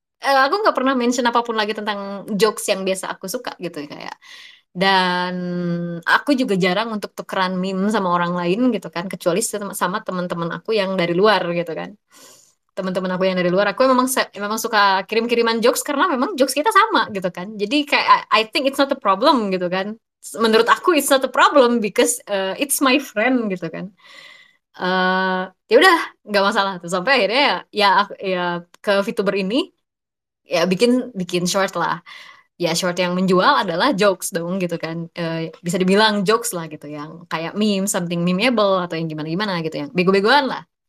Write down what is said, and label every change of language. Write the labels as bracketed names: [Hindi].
[Indonesian] aku nggak pernah mention apapun lagi tentang jokes yang biasa aku suka gitu kayak, dan aku juga jarang untuk tukeran meme sama orang lain gitu kan, kecuali sama teman-teman aku yang dari luar gitu kan. Teman-teman aku yang dari luar, aku memang memang suka kirim-kiriman jokes karena memang jokes kita sama gitu kan. Jadi kayak [English] I think it's not a problem [Indonesian] gitu kan. Menurut aku [English] it's not a problem because it's my friend [Indonesian] gitu kan. Ya udah nggak masalah tuh, sampai akhirnya ya aku, ya ke VTuber ini ya bikin bikin short lah. Ya short yang menjual adalah jokes dong gitu kan. Bisa dibilang jokes lah gitu, yang kayak meme, [English] something memeable [Indonesian] atau yang gimana-gimana gitu, yang bego-begoan lah.